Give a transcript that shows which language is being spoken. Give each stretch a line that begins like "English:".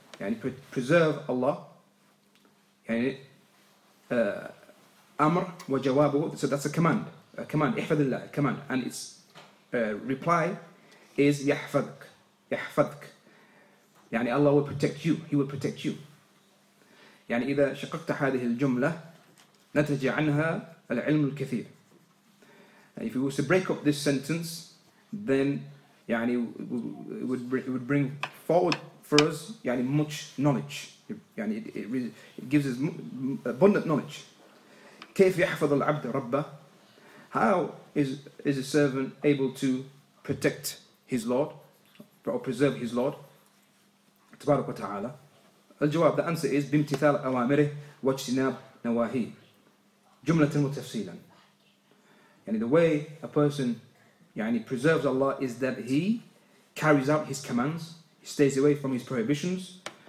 English: يعني preserve Allah.
Arabic: يعني أمر وجوابه.
English: So that's a command. A command.
Arabic: احفظ الله.
English: A command. And its reply is يحفظك.
Arabic: يحفظك.
English: يعني Allah will protect you. He will protect you.
Arabic: يعني إذا شققت هذه الجملة نتج عنها العلم الكثير.
English: If we were to break up this sentence, then yani, it would bring forward for us yani, much knowledge. Yani, it gives us abundant knowledge.
Arabic: كيف يحفظ العبد ربه?
English: How is a servant able to protect his Lord or preserve his Lord?
Arabic: تبارك وتعالى. الجواب,
English: the answer is
Arabic: بامتثال أوامره واجتناب نواهيه جملة وتفصيلا.
English: And the way a person yani, preserves Allah is that he carries out his commands, he stays away from his prohibitions.